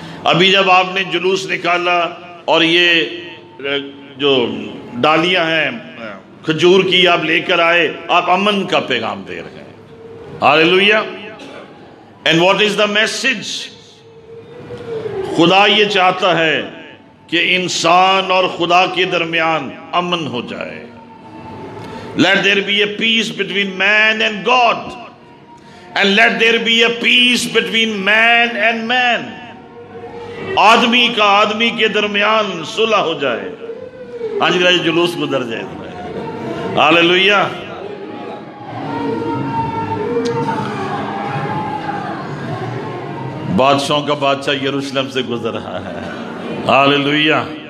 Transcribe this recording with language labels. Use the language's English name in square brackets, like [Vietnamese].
[Urdu] ابھی جب آپ نے جلوس نکالا اور یہ جو ڈالیاں ہیں کھجور کی آپ لے کر آئے, آپ امن کا پیغام دے رہے ہیں. ہللویا. [English] And what is the message? [Urdu] خدا یہ چاہتا ہے کہ انسان اور خدا کے درمیان امن ہو جائے. [English] let there be a peace between man and God, and let there be a peace between man and man. [Urdu] آدمی کا آدمی کے درمیان صلح ہو جائے. ہاں جی راجے جلوس گزر جائے. ہاللویا. بادشاہوں کا بادشاہ یروشلم سے گزر رہا ہے. ہاللویا.